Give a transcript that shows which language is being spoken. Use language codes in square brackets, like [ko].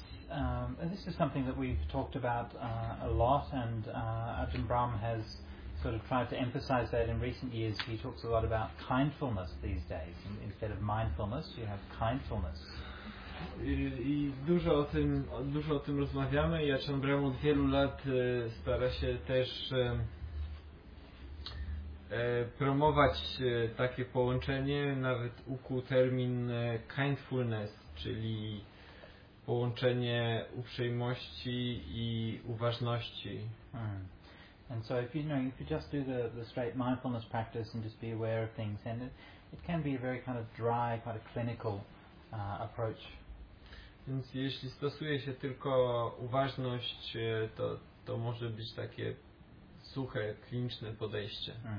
[en] And this is something that we've talked about a lot, and Ajahn Brahm has sort of tried to emphasize that in recent years. He talks a lot about kindfulness these days. Instead of mindfulness, you have kindfulness. [pl] I dużo o tym rozmawiamy. Ja Ajahn Brahm od wielu lat stara się też promować takie połączenie. Nawet ukuł termin kindfulness, czyli połączenie uprzejmości i uważności. [en] And so if you just do the straight mindfulness practice and just be aware of things, then it can be a very kind of dry, quite a clinical approach. [pl] Więc jeśli stosuje się tylko uważność, to może być takie suche, kliniczne podejście.